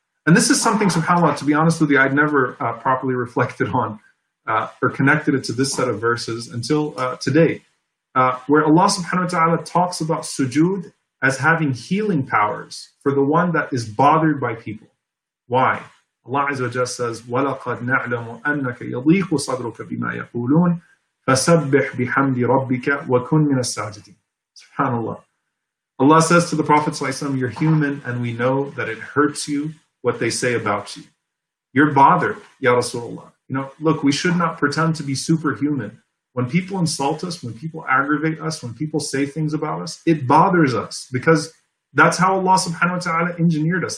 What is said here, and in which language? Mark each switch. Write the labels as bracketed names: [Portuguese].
[English] And this is something, subhanAllah, to be honest with you, I'd never properly reflected on or connected it to this set of verses until today, where Allah subhanahu wa ta'ala talks about sujood as having healing powers for the one that is bothered by people. Why? Allah Azza wa Jalla says, [Arabic] وَلَقَدْ نَعْلَمُ أَنَّكَ يَضِيقُ صَدْرُكَ بِمَا يَقُولُونَ فَسَبِّحْ بِحَمْدِ رَبِّكَ وَكُنْ مِنَ السَّاجِدِينَ. [English] SubhanAllah. Allah says to the Prophet ﷺ, you're human and we know that it hurts you what they say about you. You're bothered, Ya Rasulullah. You know, look, we should not pretend to be superhuman. When people insult us, when people aggravate us, when people say things about us, it bothers us because that's how Allah subhanahu wa ta'ala engineered us.